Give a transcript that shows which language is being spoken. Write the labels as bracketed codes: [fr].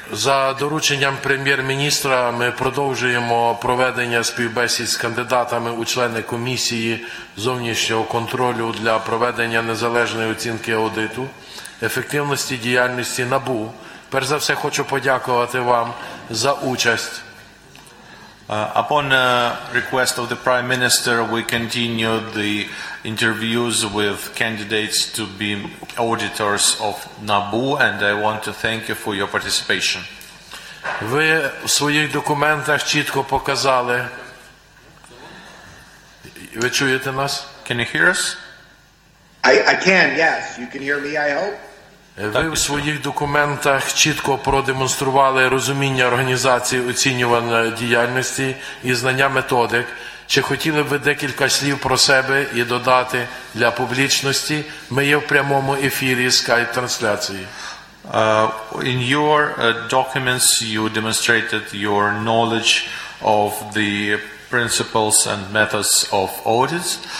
[uk] За дорученням прем'єр-міністра ми продовжуємо проведення співбесід з кандидатами у члени комісії зовнішнього контролю для проведення незалежної оцінки аудиту ефективності діяльності НАБУ. Перш за все, хочу подякувати вам за участь. [en] Upon request of the Prime Minister, we continue the interviews with candidates to be auditors of NABU, and I want to thank you for your participation. [uk] Ви в своїх документах чітко показали. Ви чуєте нас? [en] Can you hear us? I can, yes. You can hear me, I hope. [uk] Ви в своїх документах чітко продемонстрували розуміння організації оцінюваної діяльності і знання методик. Чи хотіли б ви декілька слів про себе і додати для публічності? Ми є в прямому ефірі скайп-трансляції. [en] In your documents you demonstrated your knowledge of the principles and methods of audits.